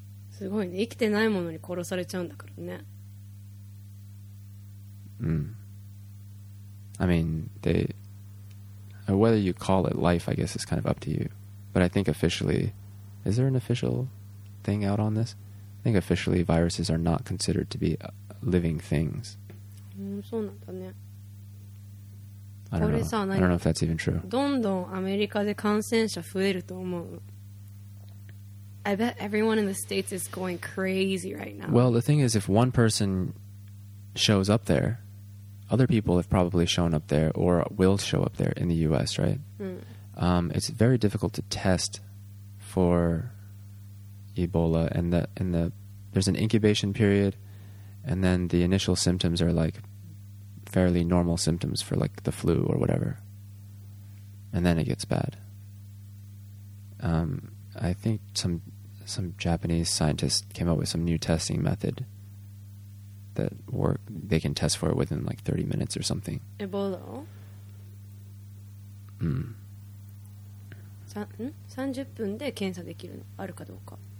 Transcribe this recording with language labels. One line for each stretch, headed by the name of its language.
Japanese: すごいね。生きてないものに殺されちゃうんだからね。
English: I mean, they, whether you call it life, I guess it's kind of up to you. But I think officially, is there an official thing out on this? I think officially viruses are not considered to be living things.
Japanese: そうなんだね。
English: I don't know. I don't know if that's even true.
Japanese: どんどんアメリカで感染者増えると思う。
English: I bet everyone in the States is going crazy right now. Well, the thing is, if one person shows up there, other people have probably shown up there or will show up there in the U.S., right? It's very difficult to test for Ebola, and there's an incubation period, and then the initial symptoms are like fairly normal symptoms for like the flu or whatever, and then it gets bad. I think some Japanese scientists came up with some new testing method that work, they can test for it within like 30 minutes or something. Ebola?
Japanese: 30 分で検査できるの、あるかどうか。